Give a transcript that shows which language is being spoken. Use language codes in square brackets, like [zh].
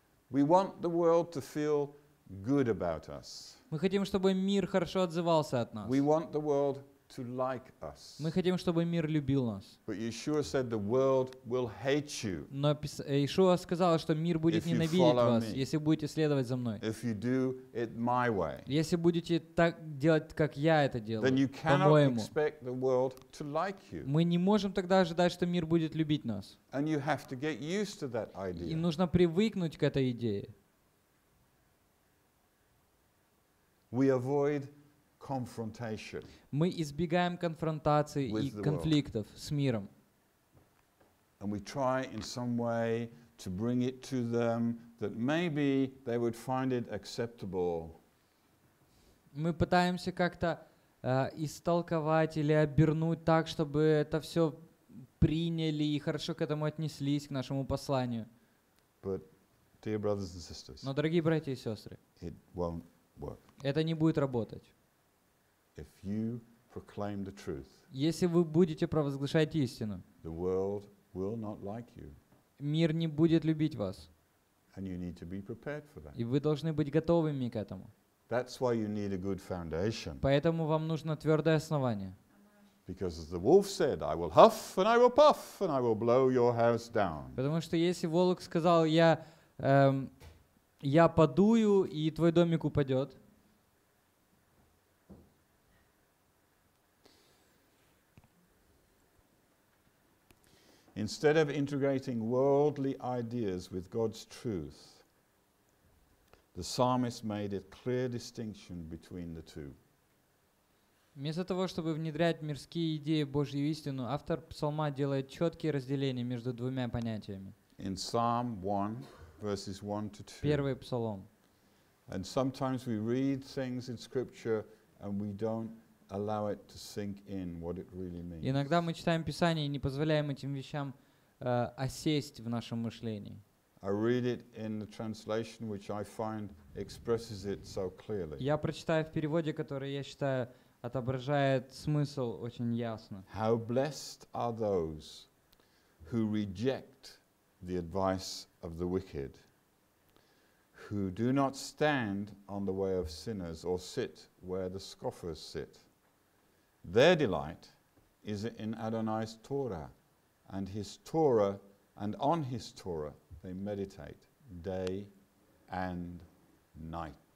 [en] We want the world to feel good about us. [ru] Мы хотим, чтобы мир хорошо отзывался от нас. [en] We want the world to like us. [ru] Мы хотим, чтобы мир любил нас. [en] But Yeshua said the world will hate you. [ru] Но Иешуа сказал, что мир будет ненавидеть вас, [en] me, [ru] если будете следовать за мной. [en] If you do it my way. [ru] Если будете так делать, как я это делаю. [en] Then you cannot expect the world to like you. [ru] Мы не можем тогда ожидать, что мир будет любить нас. [en] And you have to get used to that idea. [ru] И нужно привыкнуть к этой идее. [en] We avoid confrontation. [ru] Мы избегаем конфронтации и конфликтов с миром. [en] And we try in some way to bring it to them that maybe they would find it acceptable. [ru] Мы пытаемся как-то истолковать или обернуть так, чтобы это все приняли и хорошо к этому отнеслись к нашему посланию. [en] But dear brothers and sisters. [ru] Но дорогие братья и сестры. [en] It won't work. [ru] Это не будет работать. [en] If you proclaim the truth, [ru] если вы будете провозглашать истину, [en] the world will not like you. [ru] мир не будет любить вас. [en] And you need to be prepared for that. [ru] И вы должны быть готовыми к этому. [en] That's why you need a good foundation. [ru] Поэтому вам нужно твердое основание. [en] Because as the wolf said, I will huff and I will puff and I will blow your house down. [ru] Потому что если волк сказал, я подую и твой домик упадет. [en] Instead of integrating worldly ideas with God's truth, the psalmist made a clear distinction between the two. [ru] Вместо того, чтобы внедрять мирские идеи в Божью истину, автор псалма делает четкие разделения между двумя понятиями. [en] In Psalm 1, verses 1 to 2. [ru] Первый псалом. [en] And sometimes we read things in Scripture and we don't allow it to sink in what it really means. [ru] Иногда мы читаем Писание и не позволяем этим вещам осесть в нашем мышлении. [en] I read it in the translation which I find expresses it so clearly. [ru] Я прочитаю в переводе, который я считаю отображает смысл очень ясно. [en] How blessed are those who reject the advice of the wicked, who do not stand on the way of sinners or sit where the scoffers sit. Their delight is in Adonai's Torah, and his Torah, and on his Torah they meditate day and night.